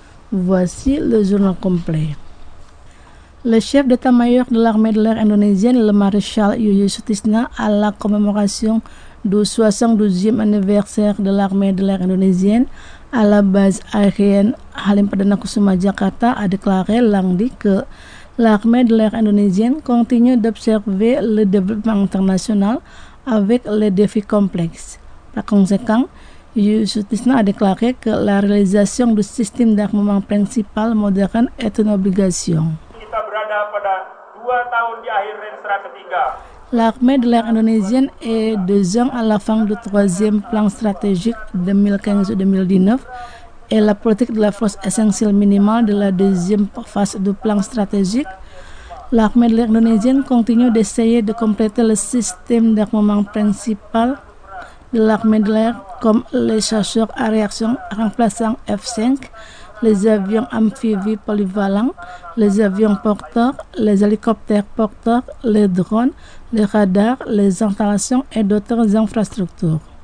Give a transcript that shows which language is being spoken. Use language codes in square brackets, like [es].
[fr] Voici le journal complet. Le chef d'état-major de l'armée de l'air indonésienne, le maréchal Yuyu Sutisna, à la commémoration du 72e anniversaire de l'armée de l'air indonésienne à la base aérienne Halim Perdana Kusuma Jakarta, a déclaré lundi que l'armée de l'air indonésienne continue d'observer le développement international avec les défis complexes. Par conséquent, Yuyu Sutisna a déclaré que la réalisation du système d'armement principal moderne est une obligation. [id] Kita berada pada 2 tahun di akhir renstra ketiga. [fr] L'armée de l'air indonésienne est 2 ans à la fin du 3e plan stratégique 2015-2019 et la politique de la force essentielle minimale de la 2e phase du plan stratégique. L'armée de l'air indonésienne continue d'essayer de compléter le système d'armement principal de l'armée de l'air comme les chasseurs à réaction remplaçant F-5, les avions amphibies polyvalents, les avions porteurs, les hélicoptères porteurs, les drones, les radars, les installations et d'autres infrastructures.